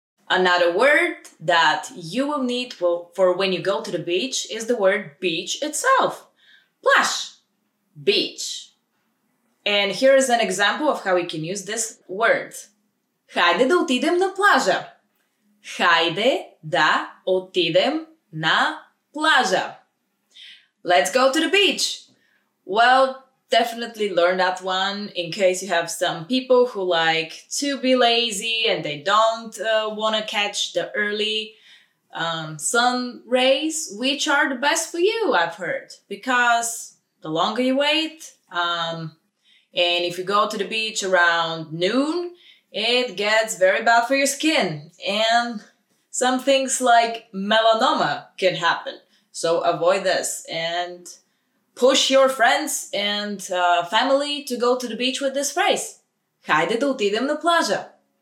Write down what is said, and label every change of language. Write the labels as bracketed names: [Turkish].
[English] Another word that you will need for when you go to the beach is the word beach itself. Plash, beach. And here is an example of how we can use this word. [Bulgarian] Хайде да отидем на плажа. Хайде да отидем на плажа. [English] Let's go to the beach. Well, definitely learn that one in case you have some people who like to be lazy and they don't want to catch the early sun rays, which are the best for you, I've heard. Because the longer you wait, and if you go to the beach around noon, it gets very bad for your skin. And some things like melanoma can happen. So avoid this and push your friends and family to go to the beach with this phrase. [Bulgarian] Хайде да отидем на плажа.